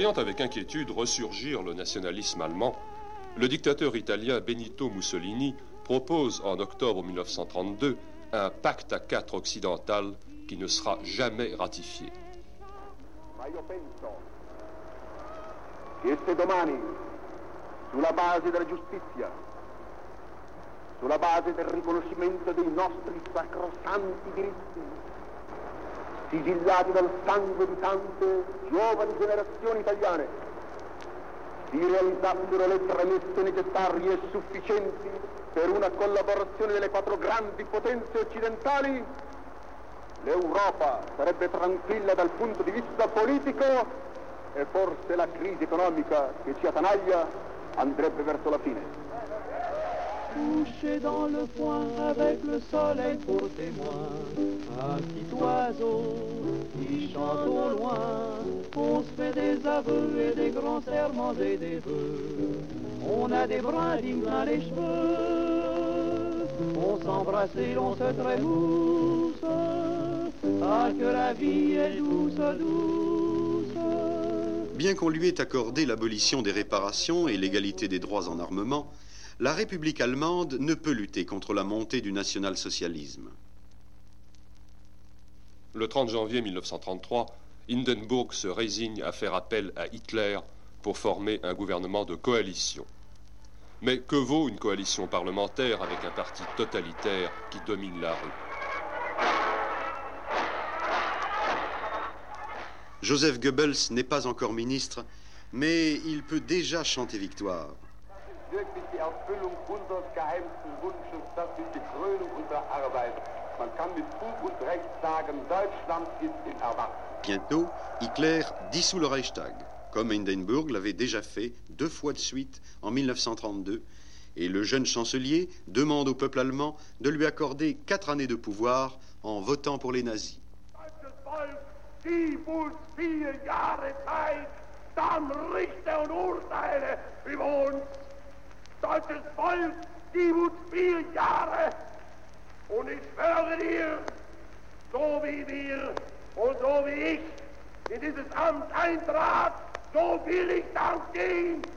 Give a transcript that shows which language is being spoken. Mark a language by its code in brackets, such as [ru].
[fr] Voyant avec inquiétude ressurgir le nationalisme allemand, le dictateur italien Benito Mussolini propose en octobre 1932 un pacte à quatre occidental qui ne sera jamais ratifié. [it] Ma io penso che se domani, sulla base della giustizia, sulla base del riconoscimento dei nostri sacrosanti diritti, sigillati dal sangue di tante giovani generazioni italiane, si realizzassero le premesse necessarie e sufficienti per una collaborazione delle quattro grandi potenze occidentali, l'Europa sarebbe tranquilla dal punto di vista politico e forse la crisi economica che ci attanaglia andrebbe verso la fine. [fr] Couché dans le foin avec le soleil pour témoin, un petit oiseau qui chante au loin, on se fait des aveux et des grands serments et des vœux. On a des bras dignes plein les cheveux. On s'embrasse et l'on se trémousse. Ah, que la vie est douce, douce. Bien qu'on lui ait accordé l'abolition des réparations et l'égalité des droits en armement, la République allemande ne peut lutter contre la montée du national-socialisme. Le 30 janvier 1933, Hindenburg se résigne à faire appel à Hitler pour former un gouvernement de coalition. Mais que vaut une coalition parlementaire avec un parti totalitaire qui domine la rue? Joseph Goebbels n'est pas encore ministre, mais il peut déjà chanter victoire. [de] Wirklich die Erfüllung unseres geheimsten Wunsches, das ist die Krönung unserer Arbeit. Man kann mit Fug und Recht sagen, Deutschland ist in Erwachsen. [fr] Bientôt, Hitler dissout le Reichstag, comme Hindenburg l'avait déjà fait deux fois de suite en 1932, et le jeune chancelier demande au peuple allemand de lui accorder quatre années de pouvoir en votant pour les nazis. [de] Deutsches Volk, gib uns vier Jahre Zeit, dann richte und urteile über uns. Deutsches Volk, gib uns vier Jahre und ich schwöre dir, so wie wir und so wie ich in dieses Amt eintrat, so will ich dann gehen.